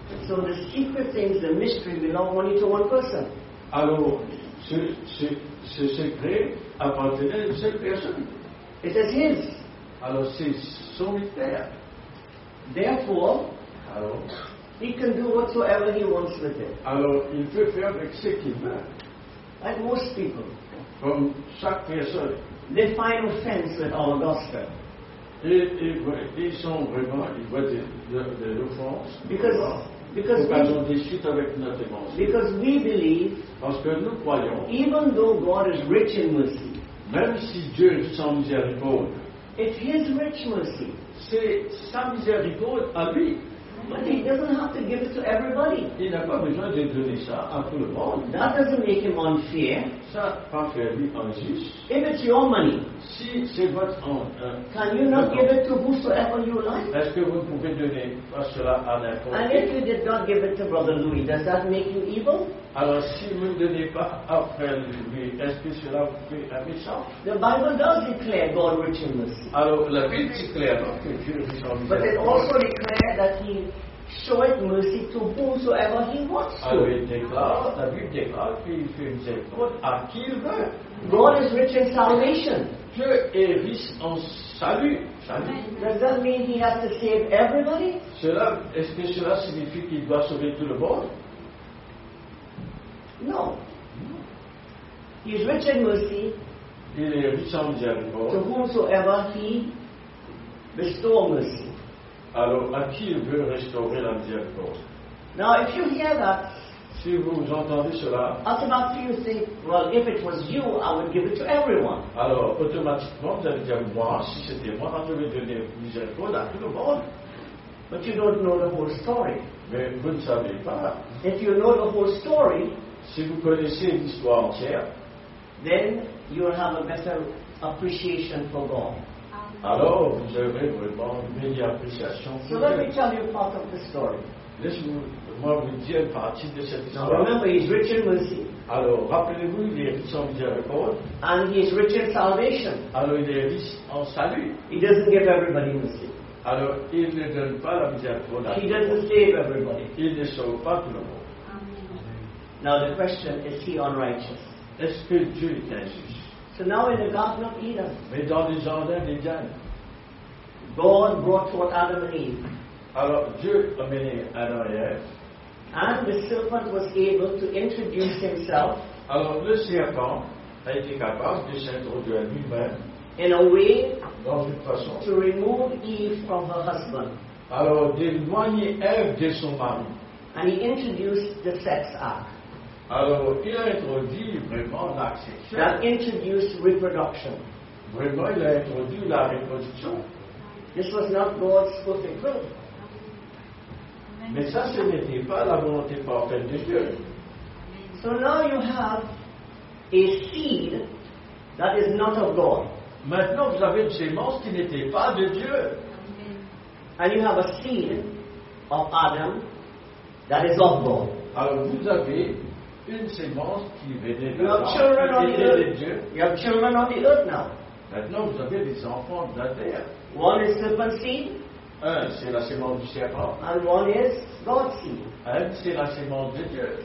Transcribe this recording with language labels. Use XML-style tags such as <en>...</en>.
<en>So the secret things, the mystery belong only to one person.</en> <fr>Alors ce secret appartenait à une seule personne.</fr> <en>It is his.</en> <fr>Alors c'est son mystère.</fr> <en>Therefore,</en> <fr>alors,</fr> <en>he can do whatsoever he wants with it.</en> <fr>Alors il peut faire avec ce qu'il veut.</fr> <en>Like most people, from</en> <fr>chaque personne,</fr> <en>they find offense with our gospel.</en> <fr>Ils voient de l'offense.</fr> <en>Because we believe.</en> <fr>Parce que nous croyons.</fr> <en>Even though God is rich in mercy.</en> <fr>Même si Dieu est sans miséricorde.</fr> <en>It's his rich mercy.</en> <fr>C'est sa miséricorde à lui.</fr> <en>But he doesn't have to give it to everybody.</en> <fr>Il n'a pas besoin de donner ça à tout le monde.</fr> <en>That doesn't make him unfair.</en> <fr>Ça pas faire lui injuste.</fr> <en>If it's your money,</en> <fr>si c'est votre</fr> <en>can you not give it to whosoever you like?</en> <fr>Est-ce que vous pouvez donner pas cela à n'importe qui?</fr> <en>And if you did not give it to Brother Louis, does that make you evil?</en> <fr>Alors si vous ne donnez pas à Frère Louis, est-ce que cela vous fait un méchant?</fr> <en>The Bible does declare God rich in mercy.</en> <fr>Alors la Bible déclare que Dieu est riche en</fr> <en>mercy. But it also declares that He showeth mercy to whomsoever He wants to.</en> <fr>Alors il déclare, la Bible déclare qu'il fait miséricorde à qui il veut.</fr> <en>God is rich in salvation.</en> <fr>Dieu est riche en salut. Salut.</fr> <en>Does that mean He has to save everybody?</en> <fr>Cela, est-ce que cela signifie qu'il doit sauver tout le monde?</fr> <en>No. He is rich in mercy.</en> <fr>Il est riche en miséricorde.</fr> <en>To whomsoever He bestows mercy.</en> <fr>Alors, à qui il veut restaurer la miséricorde?</fr> <en>Now, if you hear that,</en> <fr>si vous entendez cela,</fr> <en>automatically you say, well, if it was you, I would give it to everyone.</en> <fr>Alors, automatiquement, vous allez dire, moi, si c'était moi, je vais donner miséricorde à tout le monde.</fr> <en>But you don't know the whole story.</en> <fr>Mais vous ne savez pas.</fr> <en>If you know the whole story,</en> <fr>si vous connaissez l'histoire entière,</fr> <en>then you will have a better appreciation for God.</en> <fr>Alors, vous aurez vraiment une meilleure appréciation.</fr> <en>So let me tell you part of the story.</en> <fr>Laissez-moi vous dire une partie de cette histoire.</fr> <en>Now remember, he is rich in mercy.</en> <fr>Alors, rappelez-vous, il est riche en miséricorde.</fr> <en>And he is rich in salvation.</en> <fr>Alors, il est riche en salut.</fr> <en>He doesn't give everybody mercy.</en> <fr>Alors, il ne donne pas la miséricorde.</fr> <en>He doesn't save everybody.</en> <fr>Il ne sauve pas tout le monde.</fr> <en>Now the question is, he unrighteous?</en> <fr>Est-ce que Dieu est injuste?</fr> <en>So now in the Garden of Eden.</en> <fr>Mais dans le jardin d'Éden.</fr> <en>God brought forth Adam and Eve.</en> <fr>Alors Dieu a mené Adam et Eve.</fr> <en>And the serpent was able to introduce himself.</en> <fr>Alors le serpent a été capable de s'introduire lui-même.</fr> <en>In a way.</en> <fr>Dans une façon.</fr> <en>To remove Eve from her husband.</en> <fr>Alors d'éloigner Eve de son mari.</fr> <en>And he introduced the sex act.</en> <fr>Alors, il a introduit vraiment l'acte sexuel.</fr> <en>That introduced reproduction.</en> <fr>Vraiment, il a introduit la reproduction.</fr> <en>This was not God's perfect will.</en> <fr>Mais ça, ce n'était pas la volonté parfaite de Dieu.</fr> <en>So now you have a seed that is not of God.</en> <fr>Maintenant, vous avez une semence qui n'était pas de Dieu.</fr> <en>And you have a seed of Adam that is of God.</en> <fr>Alors, vous avez une semence qui venait de la terre.</fr> <en>You have children on the earth now.</en> <fr>Maintenant, vous avez des enfants de la terre.</fr> <en>One is serpent seed.</en> <fr>Un, c'est la semence du serpent.</fr> <en>And one is God's seed.</en> <fr>Un, c'est la semence de Dieu.</fr>